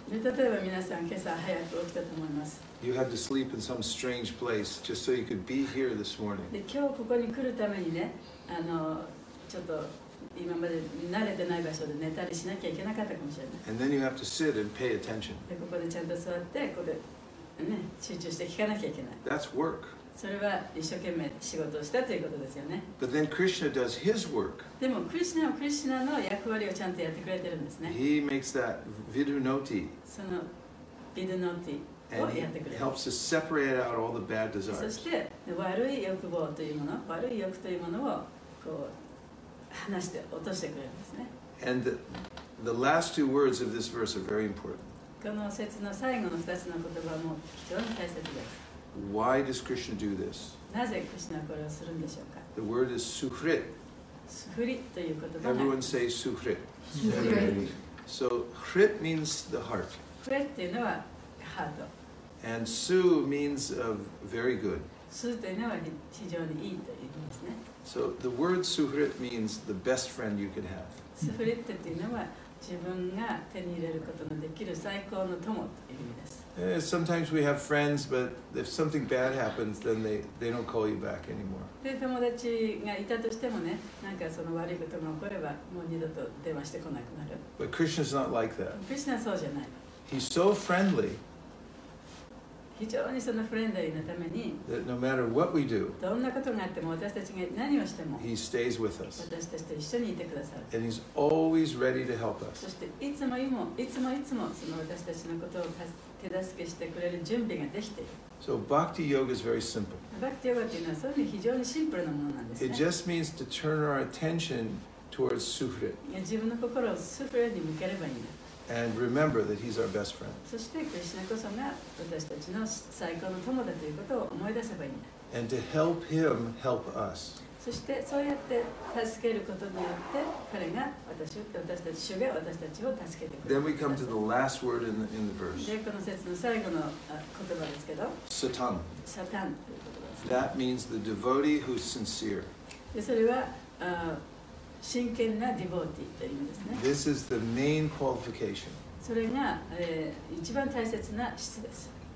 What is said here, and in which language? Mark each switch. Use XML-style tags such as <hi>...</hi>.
<ja>例えば皆さん今朝早く起きたと思います。</ja> <en>You had to sleep in some strange place just so you could be here this morning.</en> <ja>で今日ここに来るためにね、ちょっと今まで慣れてない場所で寝たりしなきゃいけなかったかもしれない。</ja> <en>And then you have to sit and pay attention.</en> <ja>でここでちゃんと座ってここでね集中して聞かなきゃいけない。</ja> <en>That's work.</en> <ja>それは一生懸命仕事をしたということですよね。</ja> <en>But then Krishna does his work.</en> <ja>でもクリシナはクリシナの役割をちゃんとやってくれてるんですね。</ja> <en>He makes that vidunoti.</en> <ja>そのヴィドゥノーティをやってくれる。</ja> <en>And he helps to separate out all the bad desires.</en> <ja>そして悪い欲望というもの、悪い欲というものをこう離して落としてくれるんですね。</ja> <en>And the last two words of this verse are very important.</en> <ja>この節の最後の二つの言葉も非常に大切です。</ja> <en>Why does Krishna do this?</en> <ja>なぜクリシュナはこれをするんでしょうか?</ja> <en>The word is sukhrit.</en> <ja>Sukhrit という言葉が。</ja> <en>Everyone say sukhrit.</en> <sa>Sukhrit.</sa> <en>So, khrit means the heart.</en> <ja>Khrit というのはハート。</ja> <en>And su means of very good.</en> <ja>Su というのは非常にいいという意味ですね。</ja> <en>So, the word sukhrit means the best friend you can have.</en> <ja>Sukhrit というのは自分が手に入れることのできる最高の友という意味です。</ja> <en>Sometimes we have friends, but if something bad happens, then they don't call you back anymore.</en> <ja>で、友達がいたとしてもね、なんかその悪いことが起これば、もう二度と電話してこなくなる。</ja> <en>But Krishna's not like that.</en> <ja>クリシュナはそうじゃない。</ja> <en>He's so friendly.</en> <ja>非常にそのフレンドリーなために。</ja> <en>That no matter what we do.</en> <ja>どんなことがあっても私たちが何をしても。</ja> <en>He stays with us.</en> <ja>私たちと一緒にいてくださる。</ja> <en>And he's always ready to help us.</en> <ja>そしていつもいつもいつもいつもその私たちのことを助け手助けしてくれる準備ができている。</ja> <en>So bhakti yoga is very simple.</en> <ja>Bhakti yoga というのはそういう非常にシンプルなものなんですね。</ja> <en>It just means to turn our attention towards sukhrit.</en> <ja>自分の心をスフレに向ければいいんだ。</ja> <en>And remember that he's our best friend.</en> <ja>そしてクリシュナこそが私たちの最高の友だということを思い出せばいいんだ。</ja> <en>and to help him help us.</en> <ja>そしてそうやって助けることによって彼が私たち主が私たちを助けてくれる。</ja> <en>Then we come to the last word in the verse.</en> <ja>でこの節の最後の言葉ですけど。</ja> <en>Satan.</en> <ja>Satan.</ja> <en>That means the devotee who's sincere.</en> <ja>でそれは真剣なディボーティーという意味ですね。</ja> <en>This is the main qualification.</en> <ja>それが一番大切な質です。</ja>